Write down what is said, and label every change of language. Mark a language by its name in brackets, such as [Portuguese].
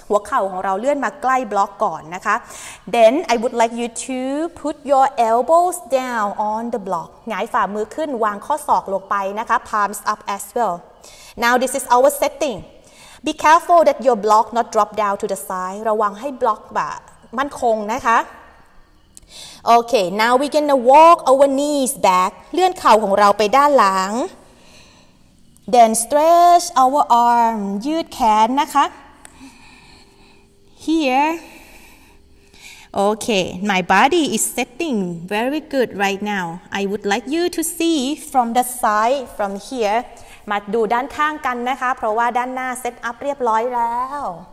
[Thai] หัวเข่าของเราเลื่อนมาใกล้บล็อกก่อนนะคะ [English] Then I would like you to put your elbows down on the block. [Thai] หงายฝ่ามือขึ้นวางข้อศอกลงไปนะคะ [English] Palms up as well. Now this is our setting. Be careful that your block not drop down to the side. [Thai] ระวังให้บล็อกแบบมั่นคงนะคะ [English] Okay. Now we're gonna walk our knees back. [Thai] เลื่อนเข่าของเราไปด้านหลัง [English] Then stretch our arm, [Thai] ยืดแขนนะคะ [English] Here Okay, my body is setting very good right now I would like you to see from the side, from here [Thai] มาดูด้านข้างกันนะคะเพราะว่าด้านหน้าเซตอัพเรียบร้อยแล้ว